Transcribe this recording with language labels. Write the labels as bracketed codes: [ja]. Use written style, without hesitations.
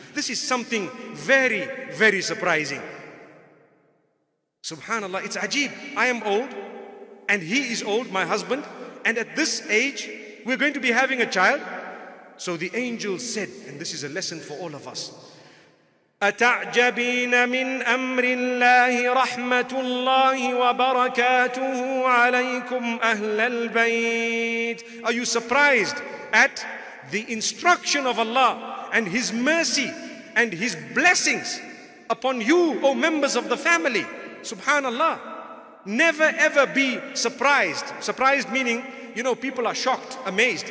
[en] This is something very, very surprising. Subhanallah, it's ajib. I am old and he is old, my husband. And at this age, we're going to be having a child. So the angel said, and this is a lesson for all of us, [ar] أتعجبين من أمر الله رحمة الله وبركاته عليكم أهل البيت. [en] Are you surprised at the instruction of Allah and His mercy and His blessings upon you, O members of the family? Subhanallah. Never ever be surprised. Surprised meaning, you know, people are shocked, amazed.